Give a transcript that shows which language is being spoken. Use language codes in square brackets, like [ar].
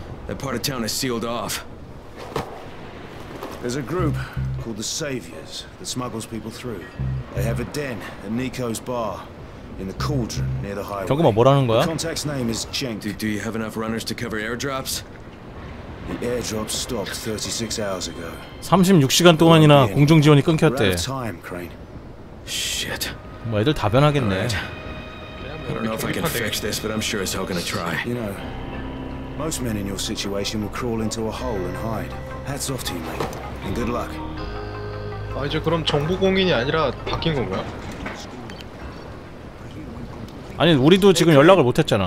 [en] That part of town is sealed off. There's a group called the Saviors that smuggles people through. They have a den at Nico's bar. In the cauldron near the highway. [ko] 잠깐만 뭐라는 거야? [en] Contact's name is Jenk. Do you have enough runners to cover airdrops? The airdrops stopped 36 hours ago. [ko] 36시간 동안이나 공중 지원이 끊겼대. Shit. 뭐 애들 다 변하겠네. [en] I don't know if I can fix this, but I'm sure as hell gonna try. You know, most men in your situation will crawl into a hole and hide. Hats off to you, mate. And good luck. [ko] 아 이제 그럼 정보 공인이 아니라 바뀐 건 뭐야? 아니 우리도 지금 연락을 못 했잖아.